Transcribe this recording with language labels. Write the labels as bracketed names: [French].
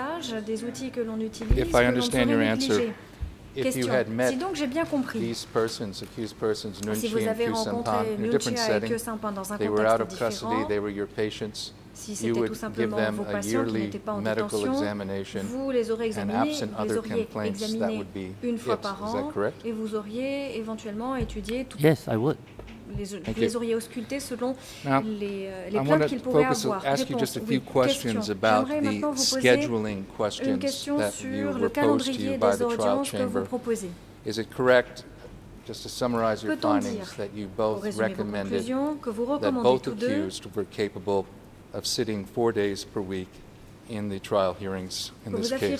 [English] If I understand your answer, if you had met these persons, accused persons, Nunchi and Kyu Sampan, in a different setting, they were out of custody, they were your patients, you would give them a yearly medical examination, and absent other complaints, that would be it. Is that correct? [French] Et vous auriez éventuellement étudié tout. [English] Yes, I would. [French] Les auriez auscultés selon les plaintes qu'ils pourraient avoir. [English] Ask you just a few questions about the scheduling questions that you were posed to you by the trial chamber. Is it correct, just to summarize your findings, that you both recommended that both accused were capable of sitting 4 days per week in the trial hearings in this case,